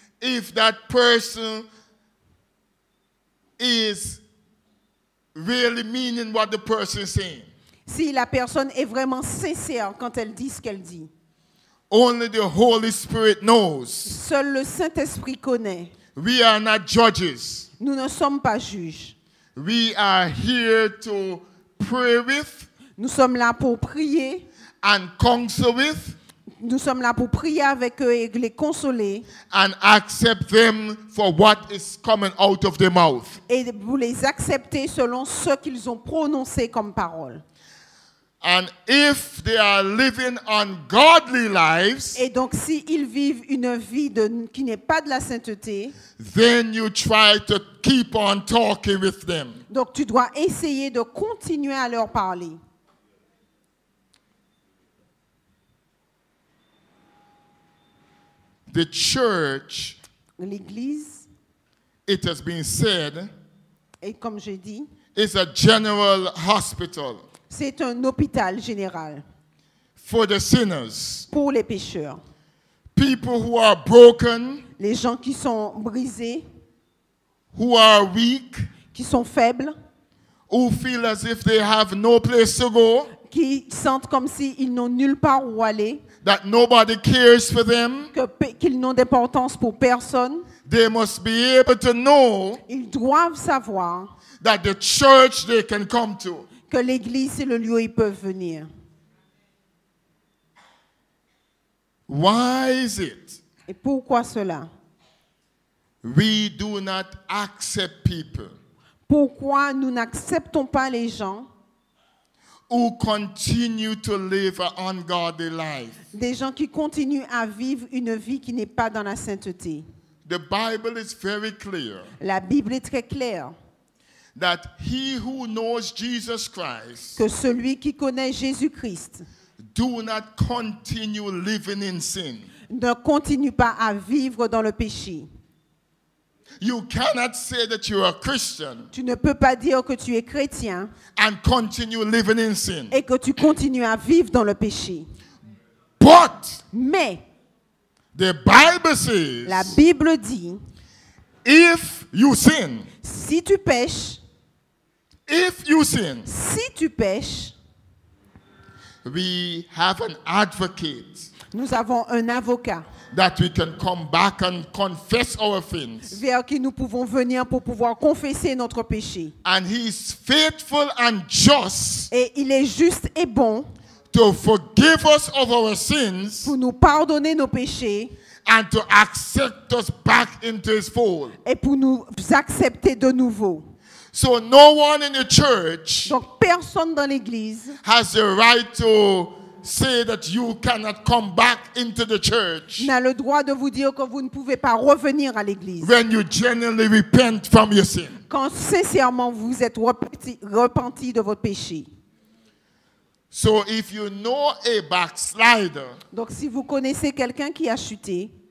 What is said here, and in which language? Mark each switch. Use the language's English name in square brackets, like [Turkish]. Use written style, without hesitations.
[English] if that person is really meaning what the person is saying. [French] Si la personne est vraiment sincère quand elle dit ce qu'elle dit. [English] Only the Holy Spirit knows. [French] Seul le Saint-Esprit connaît. [English] We are not judges. [French] Nous ne sommes pas juges. [English] We are here to pray with. [French] Nous sommes là pour prier. [English] And counsel with. [French] Nous sommes là pour prier avec eux et les consoler. [English] And accept them for what is coming out of their mouth. [French] Et vous les acceptez selon ce qu'ils ont prononcé comme parole. [English] And if they are living ungodly lives. [French] Et donc si ils vivent une vie de, qui n'est pas de la sainteté. [English] Then you try to keep on talking with them. [French] Donc tu dois essayer de continuer à leur parler. [English] The church, [French] l'église, [English] it has been said, [French] et comme j'ai dit, [English] is a general hospital. [French] C'est un hôpital général. [English] For the sinners, [French] pour les pécheurs. [English] People who are broken, [French] les gens qui sont brisés, [English] who are weak, [French] qui sont faibles, [English] who feel as if they have no place to go, [French] qui sentent comme s'ils n'ont nulle part où aller. [English] That nobody cares for them. [French] Qu'ils n'ont d'importance pour personne. [English] They must be able to know. [French] Ils doivent savoir. [English] That the church they can come to. [French] Que l'église est le lieu où ils peuvent venir. [English] Why is it? [French] Et pourquoi cela? [English] We do not accept people. [French] Pourquoi nous n'acceptons pas les gens? [English] Who continue to live an ungodly life. [French] Des gens qui continuent à vivre une vie qui n'est pas dans la sainteté. [English] The Bible is very clear. [French] La Bible est très claire. [English] That he who knows Jesus Christ. [French] Que celui qui connaît Jésus-Christ. [English] Do not continue living in sin. [French] Ne continue pas à vivre dans le péché. [English] You cannot say that you are a Christian. [French] Tu ne peux pas dire que tu es chrétien. [English] And continue living in sin. [French] Et que tu continues à vivre dans le péché. [English] But. [French] Mais. [English] The Bible says. [French] La Bible dit. [English] If you sin. [French] Si tu pèches. [English] If you sin. [French] Si tu pèches. [English] We have an advocate. [French] Nous avons un avocat. [English] That we can come back and confess our sins. [French] Vers qui nous pouvons venir pour pouvoir confesser notre péché. [English] And he is faithful and just. [French] Et il est juste et bon. [English] To forgive us of our sins. [French] Pour nous pardonner nos péchés. [English] And to accept us back into his fold. [French] Et pour nous accepter de nouveau. [English] So no one in the church. [French] Donc personne dans l'église. [English] Has the right to. Say that you cannot come back into the church. [French] N'a le droit de vous dire que vous ne pouvez pas revenir à l'église. [English] When you genuinely repent from your sin. [French] Quand sincèrement vous êtes repenti de votre péché. [English] So if you know a backslider. [French] Donc si vous connaissez quelqu'un qui a chuté.